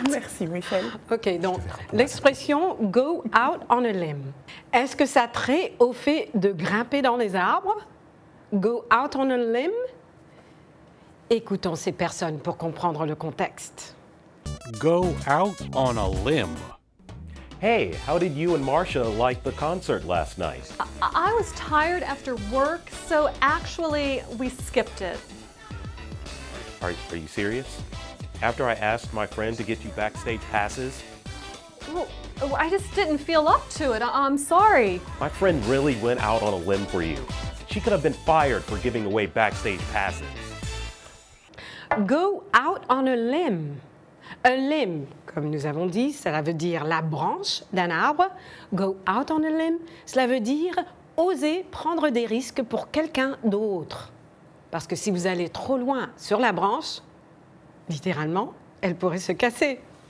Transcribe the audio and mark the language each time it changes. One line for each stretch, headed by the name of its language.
French: Merci, Michel. OK, donc, l'expression «
English: go out on a limb
French: », est-ce que ça trait au fait de grimper dans les arbres? «
English: Go out on a limb
French: » Écoutons ces personnes pour comprendre le contexte.
English: « Go out on a limb » Hey, how did you and Marcia like the concert last night? I was tired after work, so actually, we skipped it. Are you serious? After I asked my friend to get you backstage passes? Well, I just didn't feel up to it. I'm sorry. My friend really went out on a limb for you. She could have been fired for giving away backstage passes. Go out on a limb.
French: Un limb, comme nous avons dit, cela veut dire la branche d'un arbre.
English: Go out on a limb,
French: cela veut dire oser prendre des risques pour quelqu'un d'autre. Parce que si vous allez trop loin sur la branche, littéralement, elle pourrait se casser.